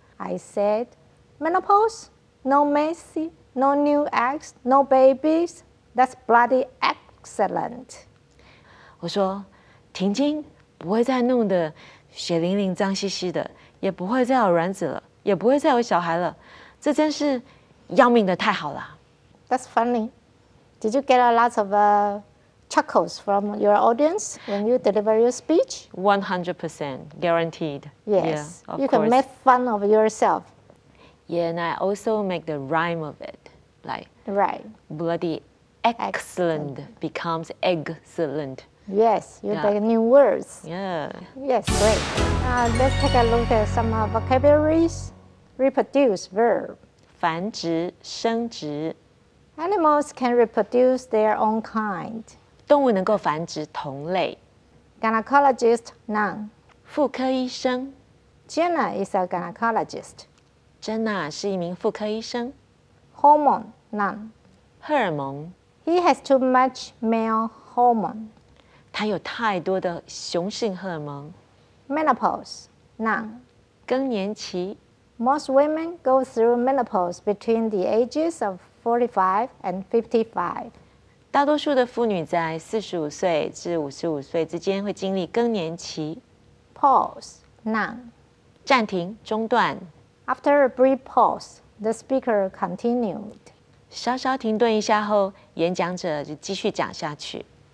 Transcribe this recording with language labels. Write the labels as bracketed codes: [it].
[en] I said, menopause, no messy, no new eggs, no babies. That's bloody excellent. [zh] 我说停经不会再弄得血淋淋脏兮兮的，也不会再有卵子了，也不会再有小孩了，这真是要命的太好了。 [en] That's funny. Did you get a lot of chuckles from your audience when you deliver your speech? 100% guaranteed. Yes, yeah, you can make fun of yourself. Yeah, and I also make the rhyme of it. Like, right. Bloody excellent becomes excellent. Yes, you make new words. Yeah. Yes, great. Let's take a look at some vocabularies. Reproduce, verb. [zh] 繁殖、生殖。 [en] Animals can reproduce their own kind. [zh] 动物能够繁殖同类。 [en] Gynecologist, noun. [zh] 妇科医生。 [en] Jenna is a gynecologist. [zh] Jenna 是一名妇科医生。 [en] Hormone, noun. [zh] 荷尔蒙。 [en] He has too much male hormone. [zh] 他有太多的雄性荷尔蒙。 [en] Menopause, noun. [zh] 更年期。 [en] Most women go through menopause between the ages of 45 and 55. [zh] 大多数的妇女在45岁至55岁之间会经历更年期。 [en] Pause, noun. [zh] 暂停、中断。 [en] After a brief pause, the speaker continued. [zh] 稍稍停顿一下后，演讲者就继续讲下去。